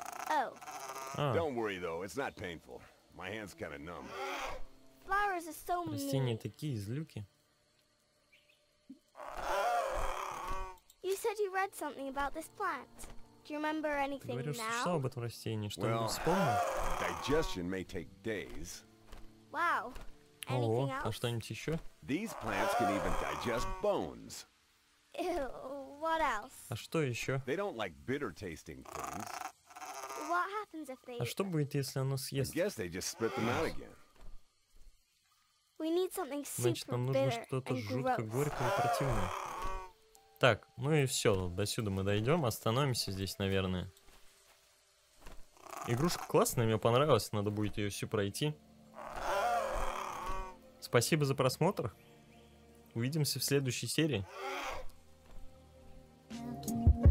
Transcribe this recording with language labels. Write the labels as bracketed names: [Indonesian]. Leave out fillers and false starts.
[English] Oh. Don't worry though, it's not painful. My hand's kind of numb. Flowers are so mean. [Russian] Растения такие злюки. [English] You said you read something about this plant. Do you remember anything now? [Russian] Ты говоришь, [English] now? [Russian] Что об этом растении, что-нибудь вспомнил? [English] Digestion may take days. Wow. Anything [Russian] Ого, [English] else? [Russian] А что-нибудь еще? [English] These plants can even digest bones. Ew, what else? [Russian] А что еще? [English] They don't like bitter tasting things. What happens if they [Russian] А что будет, если оно съест? [English] I guess they just spit them out again. We need something super [Russian] Значит, нам нужно что-то жутко горькое и противное. Так, ну и все, до сюда мы дойдем, остановимся здесь, наверное. Игрушка классная, мне понравилась, надо будет ее всю пройти. Спасибо за просмотр. Увидимся в следующей серии. [English] Thank you.